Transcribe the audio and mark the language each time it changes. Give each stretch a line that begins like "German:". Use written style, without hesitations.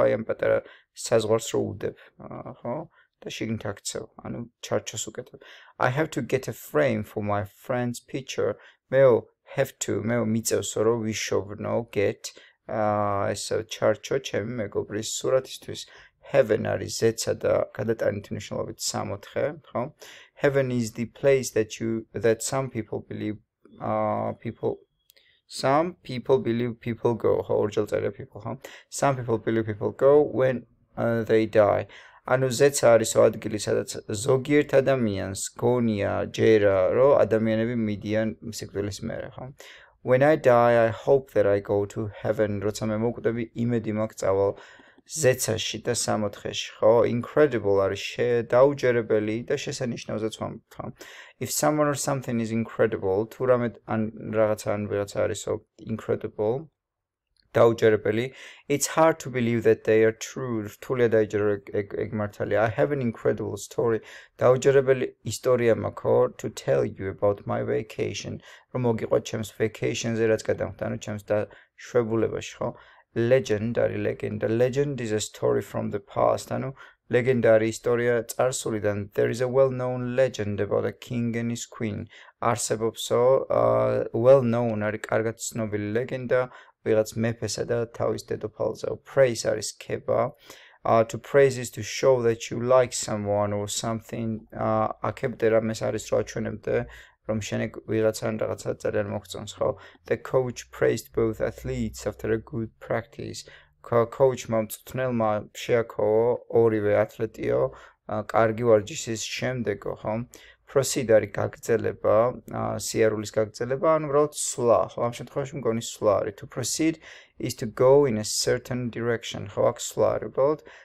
Georgian: აი ამ პატარა საზღვარს რო უდებ, ხო? და შეგინთ აქცევ, ანუ ჩარჩოს უკეთებ.
English: I have to get a frame for my friend's picture.
Georgian: მეო have to, მე მიწევსო რომ ვიშოვნო get ესე ჩარჩო ჩემი მეგობრის სურათისთვის. Heaven არის ზეცა და გადატანით მნიშვნელობით 3-4, ხო?
English: Heaven is the place that some people believe people go.
Georgian: ხო, ორჯერ წერია people, ხო?
English: Some people believe people go when they die.
Georgian: ანუ ზეცა არისო ადგილი, სადაც ზოგიერთ ადამიანს გონია ჯერა, რომ ადამიანები მიდიან სიკვდილის მერე, ხო?
English: When I die, I hope that I go to heaven.
Georgian: როცა მე მოკვდები, იმედი მაქვს წავალ ზეცაში და 3-4-ში, ხო? Incredible არის შედაუჯერებელი და შესანიშნავზეც ვამბობთ, ხო?
English: If someone or something is incredible,
Georgian: თუ რამე ან რაღაცა ან ვიღაცა არისო incredible, დაუჯერებელი.
English: It's hard to believe that they are true.
Georgian: რთულია დაიჯერო ეგ მართალია.
English: I have an incredible story.
Georgian: დაუჯერებელი ისტორია მაქვს, ხო?
English: To tell you about my vacation.
Georgian: რომ მოგიყვეთ ჩემს vacation-ზე, რაც გადამხდარ, ანუ ჩემს დაშვებულებაში, ხო?
English: Legend
Georgian: არის ლეგენდა.
English: Legend is a story from the past.
Georgian: ანუ ლეგენდარი ისტორია წარსულიდან.
English: There is a well-known legend about a king and his queen.
Georgian: არსებობსო, well-known არის კარგად ცნობილი ლეგენდა ვიღაც მეფესა და თავის დედოფალზე. Praise არის ქება.
English: To praise is to show that you like someone or something.
Georgian: აქებდე რა, მეს არის რო აჩვენებდე რომ შენ ვიღაცან რაღაცა ძალიან მოგწონს, ხო?
English: The coach praised both athletes after a good practice.
Georgian: Coach-მა მწვრთნელმა შეაქოო ორივე ათლეტიო კარგი ვარჯიშის შემდეგ, ხო? Proceed არის გაგრძელება, სიარულის გაგრძელება, ანუ უბრალოდ სვლა, ხო? ამ შემთხვევაში მგონი სვლა არის.
English: To proceed is to go in a certain direction.
Georgian: ხო, აქ სვლა არის უბრალოდ.